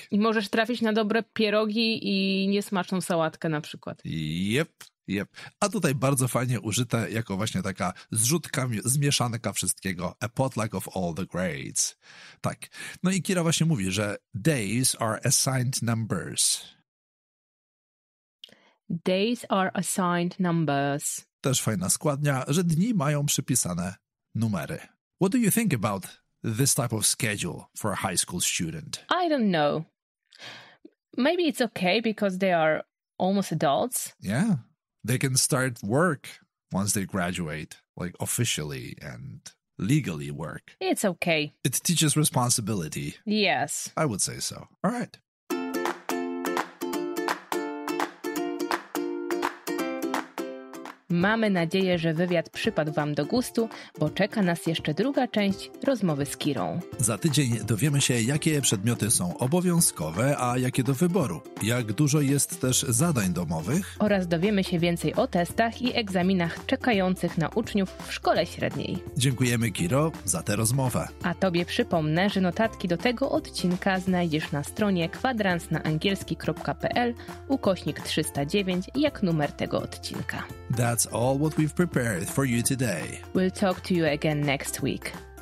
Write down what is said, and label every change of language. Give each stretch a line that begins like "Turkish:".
Polish: I możesz trafić na dobre pierogi i niesmaczną sałatkę na przykład. Jep, jep. A tutaj bardzo fajnie użyte jako właśnie taka zrzutka, zmieszanka wszystkiego.
English: A potluck of all the grades.
Polish: Tak. No i Kira właśnie mówi, że
English: days are assigned numbers. Days are assigned numbers.
Polish: Też fajna składnia, że dni mają przypisane numery.
English: What do you think about this type of schedule for a high school student? I don't know. Maybe it's okay because they are almost adults. Yeah, they can start work once they graduate, like officially and legally work. It's okay. It teaches responsibility. Yes. I would say so. All right.
Polish: Mamy nadzieję, że wywiad przypadł Wam do gustu, bo czeka nas jeszcze druga część rozmowy z Kirą. Za tydzień dowiemy się, jakie przedmioty są obowiązkowe, a jakie do wyboru. Jak dużo jest też zadań domowych. Oraz dowiemy się więcej o testach i egzaminach czekających na uczniów w szkole średniej. Dziękujemy, Kiro, za tę rozmowę. A Tobie przypomnę, że notatki do tego odcinka znajdziesz na stronie kwadransnaangielski.pl/309, jak numer tego odcinka.
English: That's all what we've prepared for you today. We'll talk to you again next week.